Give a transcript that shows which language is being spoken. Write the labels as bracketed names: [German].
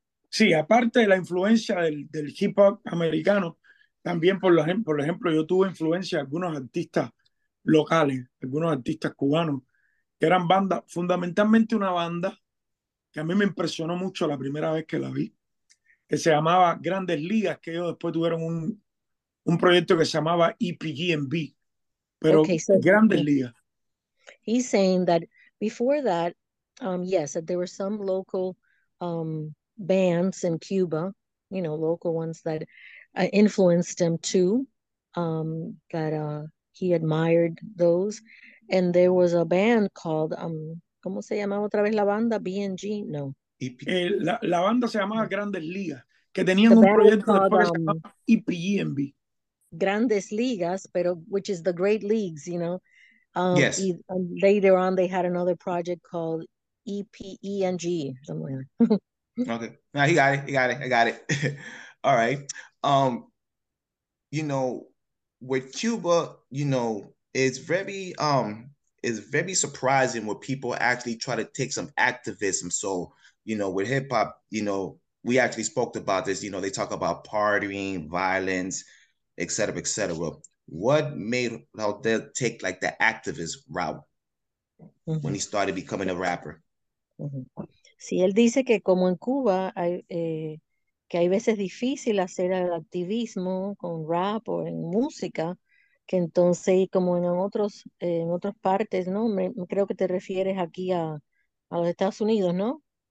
[Spanish] Sí, aparte de la influencia del hip hop americano, también por ejemplo, yo tuve influencia de algunos artistas locales, algunos artistas cubanos, que eran bandas, fundamentalmente una banda que a mí me impresionó mucho la primera vez que la vi, que se llamaba Grandes Ligas, que ellos después tuvieron un proyecto que se llamaba EPGMB. Pero [English] okay, so Grandes Ligas. He's saying that before that, yes, that there were some local bands in Cuba, you know, local ones that influenced him too, that he admired those. And there was a band called, [Spanish] ¿cómo se llamaba otra vez la banda? [English] BNG? No. [Spanish] La banda se llamaba Grandes Ligas, que tenían un proyecto de EPGMB. [English] Grandes Ligas, [Spanish] pero [English] which is the Great Leagues, you know. Yes. And later on, they had another project called EPENG somewhere. Okay. Now he got it. All right. You know, with Cuba, you know, it's very surprising when people actually try to take some activism. So, you know, with hip hop, you know, we actually spoke about this. You know, they talk about partying, violence, et cetera, et cetera. What made Raudel take like the activist route mm-hmm. when he started becoming a rapper? Mm-hmm. [Spanish] Sí, él dice que como en Cuba hay, que hay veces difícil hacer el activismo con rap o en música, que entonces como en otras partes, ¿no? Creo que te refieres aquí a los Estados Unidos, ¿no?